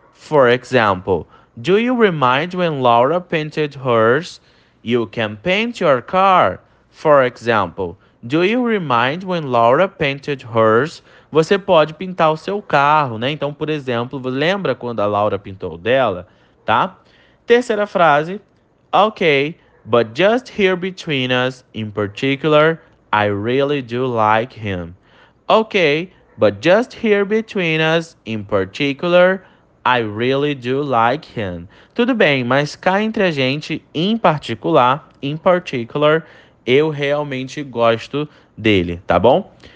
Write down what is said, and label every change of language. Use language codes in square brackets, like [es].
[en] For example, do you remind when Laura painted hers? You can paint your car. For example, do you remind when Laura painted hers? [pt] Você pode pintar o seu carro, né? Então, por exemplo, lembra quando a Laura pintou o dela, tá? Terceira frase. [en] Ok, but just here between us, in particular, I really do like him. Ok, but just here between us, in particular, I really do like him. [pt] Tudo bem, mas cá entre a gente, in particular, eu realmente gosto dele, tá bom?